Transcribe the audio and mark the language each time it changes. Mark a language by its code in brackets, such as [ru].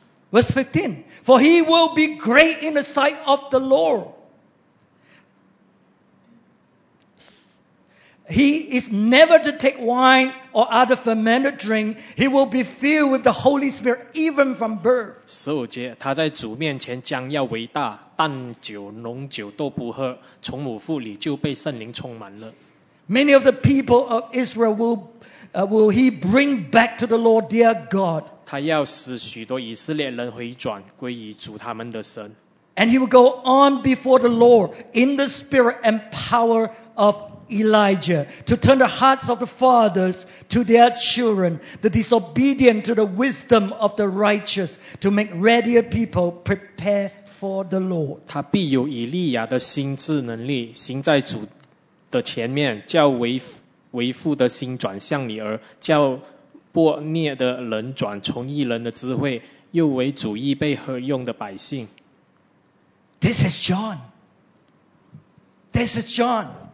[en] Verse 15 For he will be great in the sight of the Lord He is never to take wine or other fermented drink. He will be filled with the Holy Spirit even from birth. [zh] 15节，他在主面前将要为大，但酒浓酒都不喝，从母腹里就被圣灵充满了。 [en] Many of the people of Israel will he bring back to the Lord their God. [zh] 他要使许多以色列人回转归于主他们的神。 [en] And he will go on before the Lord in the spirit and power of Elijah to turn the hearts of the fathers to their children, the disobedient to the wisdom of the righteous, to make ready a people prepare for the Lord. [zh] 他必有以利亚的心智能力，行在主的前面，叫为父的心转向你儿，叫波涅的人转从异人的智慧，又为主预备何用的百姓。 [en] This is John. This is John.